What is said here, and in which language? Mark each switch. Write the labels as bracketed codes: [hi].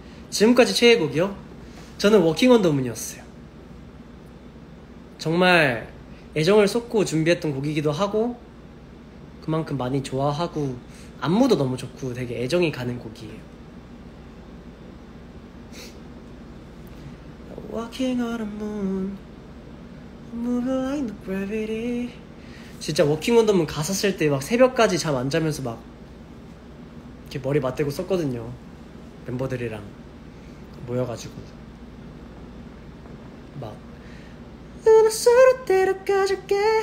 [ko] 지금까지 최애곡이요? 저는 워킹 온 더 문이었어요. 정말 애정을 쏟고 준비했던 곡이기도 하고 그만큼 많이 좋아하고 안무도 너무 좋고 되게 애정이 가는 곡이에요. [en] Walking on the moon, moving like the gravity. [ko] 진짜 Walking on the moon 가사 쓸 때 막 새벽까지 잠 안 자면서 막 이렇게 머리 맞대고 썼거든요. 멤버들이랑 모여가지고 막 은하수로 데려가줄게.